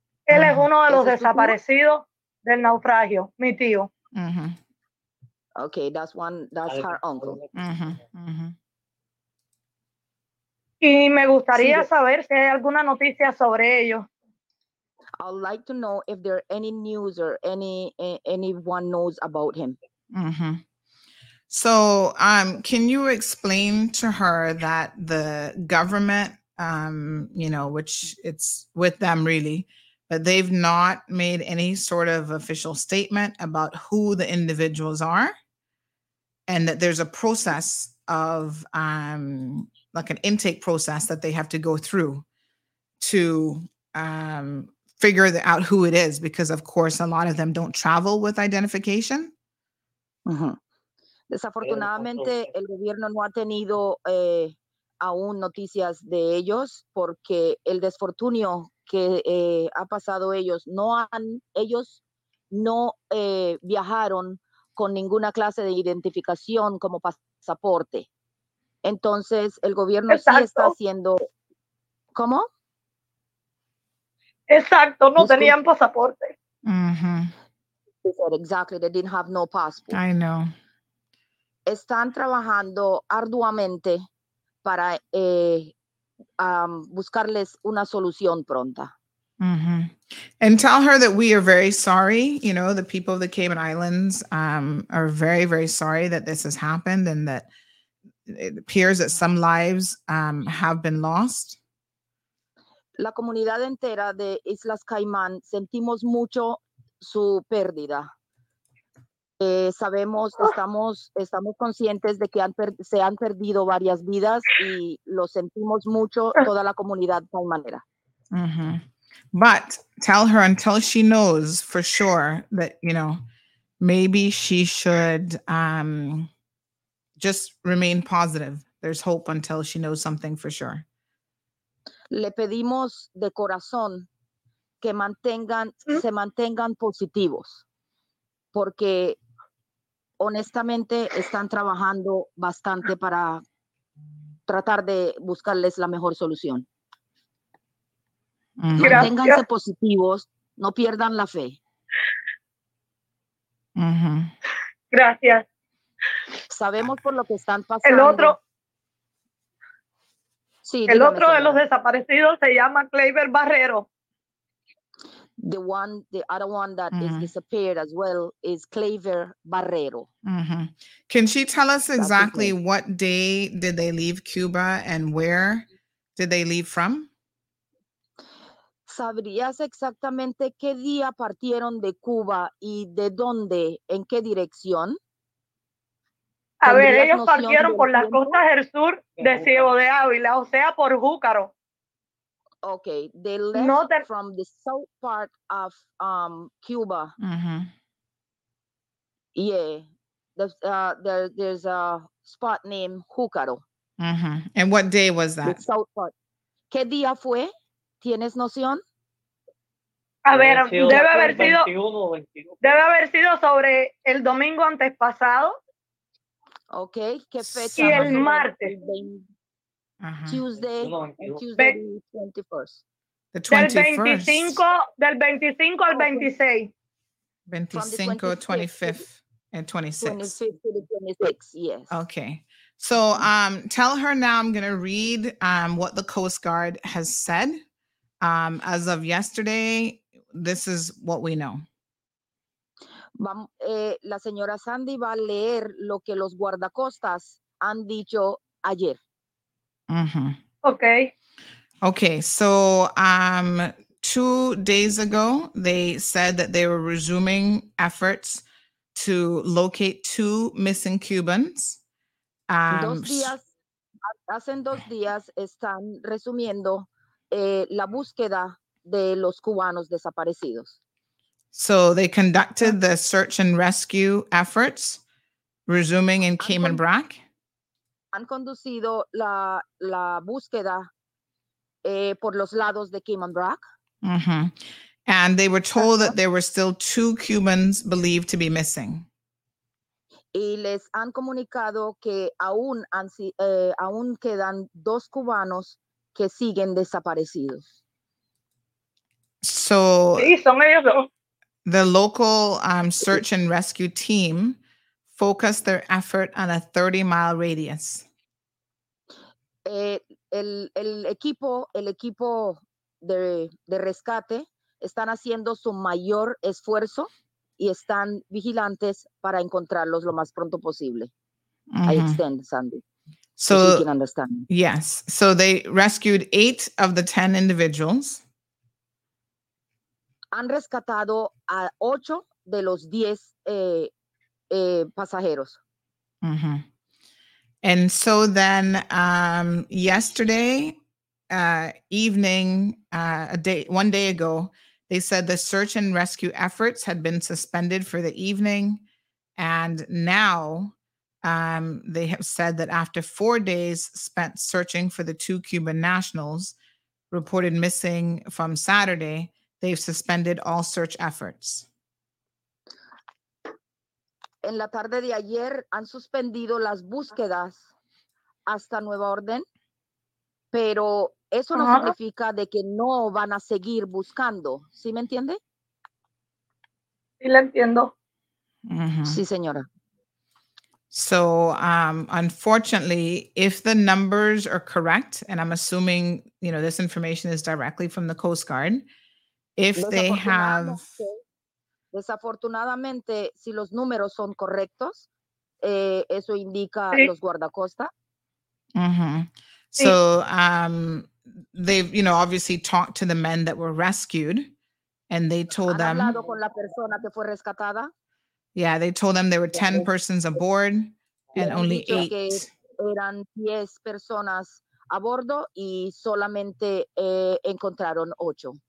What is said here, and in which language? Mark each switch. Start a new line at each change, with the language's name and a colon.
Spanish: Él es uno de los desaparecidos del naufragio, mi tío. Mm-hmm.
English: Okay, that's her uncle. Mm-hmm. Mm-hmm.
Spanish: Y me gustaría saber si hay alguna noticia sobre ellos.
English: I'd like to know if there are any news or anyone knows about him. Mm-hmm. So can you explain to her that the government, you know, which it's with them really, but they've not made any sort of official statement about who the individuals are and that there's a process of like an intake process that they have to go through to figure out who it is, because of course a lot of them don't travel with identification.
Spanish: Desafortunadamente, el gobierno no ha tenido aún noticias de ellos, porque el desfortunio que ha pasado ellos, ellos no viajaron con ninguna clase de identificación como pasaporte. Entonces, el gobierno sí está haciendo... ¿Cómo? Exacto, no tenían pasaporte. Mm-hmm.
English: Exactly, they didn't have no passport. I know.
Spanish: Están trabajando arduamente para buscarles una solución pronta. Mm-hmm.
English: And tell her that we are very sorry. You know, the people of the Cayman Islands are very, very sorry that this has happened and that it appears that some lives have been lost.
Spanish: La comunidad entera de Islas Caimán sentimos mucho su pérdida. Sabemos, estamos conscientes de que se han perdido varias vidas y lo sentimos mucho toda la comunidad caimanera. Mm-hmm.
English: But tell her until she knows for sure that, you know, maybe she should just remain positive. There's hope until she knows something for sure.
Spanish: Le pedimos de corazón que se mantengan positivos, porque honestamente están trabajando bastante para tratar de buscarles la mejor solución. Mm-hmm. Manténganse Gracias. Positivos, no pierdan la fe. Mm-hmm. Gracias. Sabemos por lo que están pasando. El otro. Sí, el otro de los desaparecidos se llama Kleiber Barrero.
English: The other one that mm-hmm. is disappeared as well is Kleiber Barrero. Mm-hmm. Can she tell us exactly what day did they leave Cuba and where did they leave from?
Spanish: ¿Sabrías exactamente qué día partieron de Cuba y de dónde, en qué dirección? A ver, ellos partieron por las costas del sur de Ciego de Ávila, o sea, por Júcaro.
English: Okay, they left from the south part of Cuba. Mm-hmm. Yeah, there's a spot named Júcaro. Mm-hmm. And what day was that? The south part.
Spanish: ¿Qué día fue? ¿Tienes noción? A ver, debe haber sido sobre el domingo antes pasado. Okay, ¿qué fecha? Y el martes.
English: Tuesday, the 21st. From the 25th, 25th, 25th. 25th, 25th, and 26th. Okay. So tell her now I'm going to read what the Coast Guard has said. As of yesterday, this is what we know.
Spanish: La señora Sandy va a leer lo que los guardacostas han dicho ayer. Mm-hmm.
English: Okay. Okay, so 2 days ago, they said that they were resuming efforts to locate 2 missing Cubans.
Spanish: Hace dos días están resumiendo la búsqueda de los cubanos desaparecidos.
English: So they conducted the search and rescue efforts, resuming in Cayman Brac.
Spanish: Han conducido la búsqueda por los lados de Cayman Brac. Mm-hmm.
English: And they were told that there were still 2 Cubans believed to be missing.
Spanish: Y les han comunicado que aún quedan 2 cubanos que siguen desaparecidos.
English: So,
Spanish: sí, son ellos dos.
English: The local search and rescue team focused their effort on a 30-mile radius.
Spanish: El equipo de rescate están haciendo su mayor esfuerzo y están vigilantes para encontrarlos lo más pronto posible.
English: Mm-hmm. I extend, Sandy. So, you can understand. Yes. So they rescued 8 of the 10 individuals.
Spanish: Han rescatado a 8 de los 10 pasajeros.
English: Mm-hmm. And so then yesterday evening, one day ago, they said the search and rescue efforts had been suspended for the evening. And now they have said that after 4 days spent searching for the two Cuban nationals reported missing from Saturday, they've suspended all search efforts.
Spanish: En la tarde de ayer han suspendido las búsquedas hasta nueva orden, pero eso no significa de que no van a seguir buscando. ¿Sí me entiende? Sí, la entiendo. Mm-hmm. Sí, señora.
English: So, unfortunately, if the numbers are correct, and I'm assuming, you know, this information is directly from the Coast Guard, if they have...
Spanish: Desafortunadamente, si los números son correctos, eso indica sí. Los guardacosta. Mm-hmm.
English: So, they've, you know, obviously talked to the men that were rescued, and they told
Spanish: ¿Han
English: them...
Spanish: hablado con la persona que fue rescatada?
English: Yeah, they told them there were 10 persons aboard and only 8.
Spanish: Eran 10 personas a bordo y solamente encontraron 8.